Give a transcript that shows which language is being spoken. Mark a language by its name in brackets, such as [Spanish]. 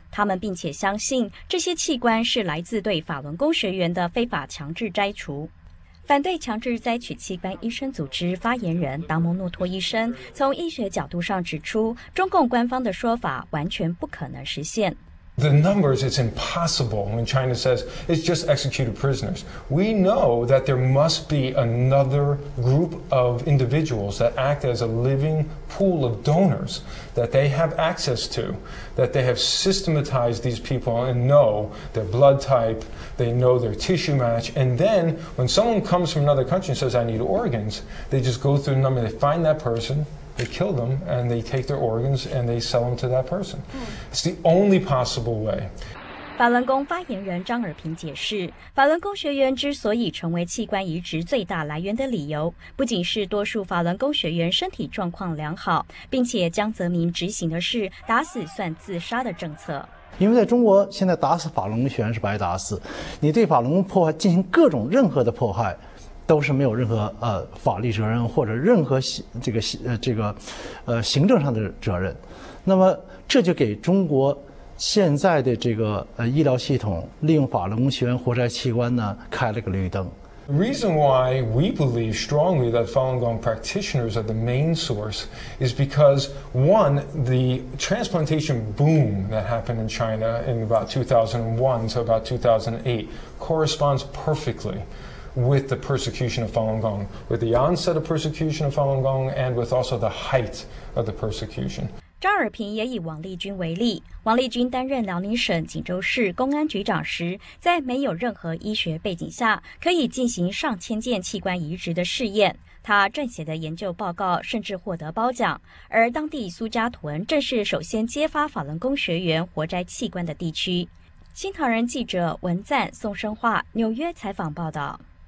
[Chinese] 他们并且相信这些器官是来自对法轮功学员的非法强制摘除。反对强制摘取器官医生组织发言人达蒙诺托医生从医学角度上指出，中共官方的说法完全不可能实现。 [English] The numbers, it's impossible when China says it's just executed prisoners. We know that there must be another group of individuals that act as a living pool of donors that they have access to, that they have systematized these people and know their blood type, they know their tissue match. And then when someone comes from another country and says, I need organs, they just go through a number, they find that person. They kill them and they take their organs and they sell them to that person. It's the only possible way. [Chinese] 法轮功发言人张尔平解释，法轮功学员之所以成为器官移植最大来源的理由，不仅是多数法轮功学员身体状况良好，并且江泽民执行的是打死算自杀的政策。因为在中国，现在打死法轮功学员是白打死，你对法轮功破坏进行各种任何的破坏，都是没有任何法律责任或者任何行政上的责任。那么这就给中国现在的这个医疗系统利用法轮功学员活摘器官呢开了个绿灯。 [English] The reason why we believe strongly that Falun Gong practitioners are the main source is because, one, the transplantation boom that happened in China in about 2001 to about 2008 corresponds perfectly with the persecution of Falun Gong, with the onset of persecution of Falun Gong, and with also the height of the persecution. [Chinese] 张尔平也以王立军为例，王立军担任辽宁省锦州市公安局长时，在没有任何医学背景下，可以进行上千件器官移植的试验。他撰写的研究报告甚至获得褒奖，而当地苏家屯正是首先揭发法轮功学员活摘器官的地区。新唐人记者文赞、宋生化，纽约采访报道。